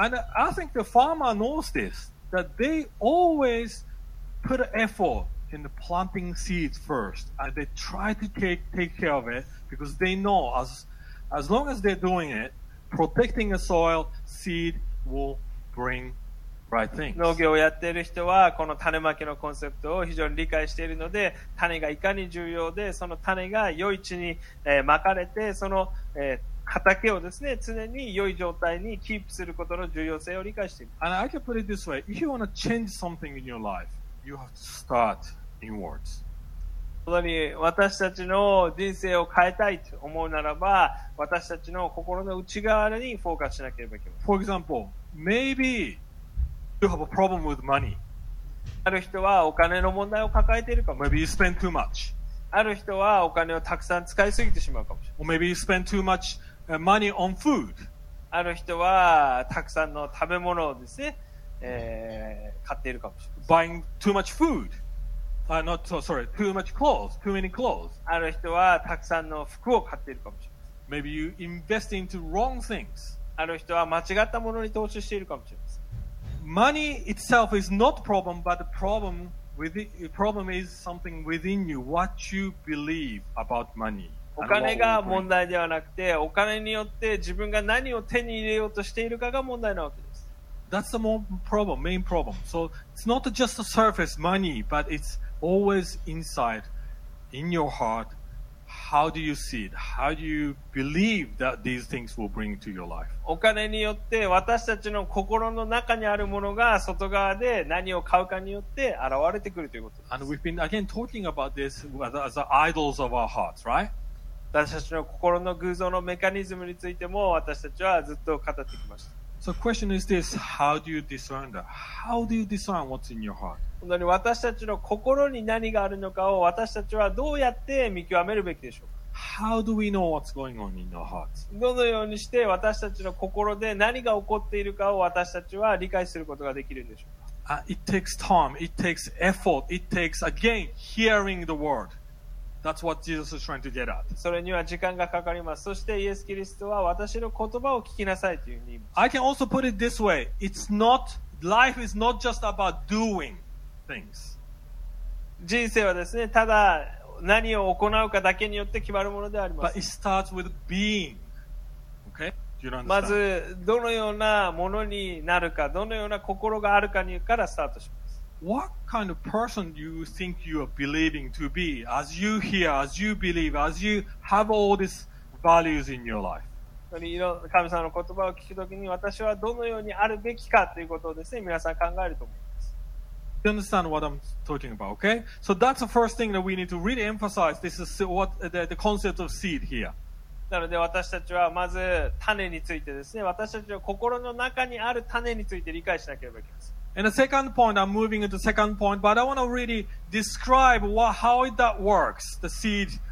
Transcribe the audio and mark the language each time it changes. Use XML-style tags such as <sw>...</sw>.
<en>And I think the farmer knows this, that they always put effort in the planting seeds first, and they try to take care of it because they know as long as they're doing it, protecting the soil, seed will bring.</en> <ja>農業をやっている人はこの種まきのコンセプトを非常に理解しているので種がいかに重要でその種が良い地にまかれてその畑をですね常に良い状態にキープすることの重要性を理解しています</ja> <en>。 And I can put it this way. If you want to change something in your life, you have to start inwards.</en> <ja>本当に私たちの人生を変えたいと思うならば私たちの心の内側にフォーカスしなければいけません。</ja> <en>For example, maybeYou have a problem with money.</en> <ja>ある人はお金の問題を抱えているかもしれない。</ja> <en>Maybe you spend too much.</en> <ja>ある人はお金をたくさん使いすぎてしまうかもしれない。</ja> <en>Or maybe you spend too much money on food.</en> <ja>ある人はたくさんの食べ物をですね、買っているかもしれない。</ja> <en>Buying too much food. Not so sorry. Too much clothes. Too many clothes.</en> <ja>ある人はたくさんの服を買っているかもしれない。</ja> <en>Maybe you invest into wrong things.</en> <ja>ある人は間違ったものに投資しているかもしれない。</ja> <en>Money itself is not problem, but the problem is something within you, what you believe about money.</en> <ja>お金が問題ではなくて、お金によって自分が何を手に入れようとしているかが問題なわけです。</ja> <en>That's the main problem. So it's not just the surface money, but it's always inside, in your heart, how do you see it? How do you believe that these things will bring to your life?</en> <ja>お金によって私たちの心の中にあるものが外側で何を買うかによって現れてくるということです。</ja> <en>And we've been again talking about this as the idols of our hearts, right?</en> <ja>私たちの心の偶像のメカニズムについても私たちはずっと語ってきました。</ja> <en>So question is this, how do you discern that? How do you discern what's in your heart?</en> <ja>本当に私たちの心に何があるのかを私たちはどうやって見極めるべきでしょうか?</ja> <en>How do we know what's going on in our hearts?</en> <ja>どのようにして私たちの心で何が起こっているかを私たちは理解することができるんでしょうか?</ja> <en>It takes time, it takes effort, it takes again hearing the word. That's what Jesus is trying to get at.</en> <ja>それには時間がかかります。そしてイエス・キリストは私の言葉を聞きなさいというふうに言います。</ja> <en>I can also put it this way. It's not, life is not just about doing. things.</en> <ja>人生はですね、ただ何を行うかだけによって決まるものであります。</ja> <en>But it starts with being. Okay? Do you understand?</en> <ja>まずどのようなものになるか、どのような心があるかにからスタートします。</ja> <en>What kind of person do you think you are believing to be? As you hear, as you believe, as you have all these values in your life.</en> <ja>神様の言葉を聞くときに私はどのようにあるべきかということをですね、皆さん考えると思います。</ja> <en>You understand what I'm talking about, okay? So that's the first thing that we need to really emphasize. This is what the concept of seed here.</en> <ja>なので私たちはまず種についてですね、私たちの心の中にある種について理解しなければいけません。</ja> <en>And the second point, I'm moving into the second point, but I want to really describe what, how that works, the seed.</en>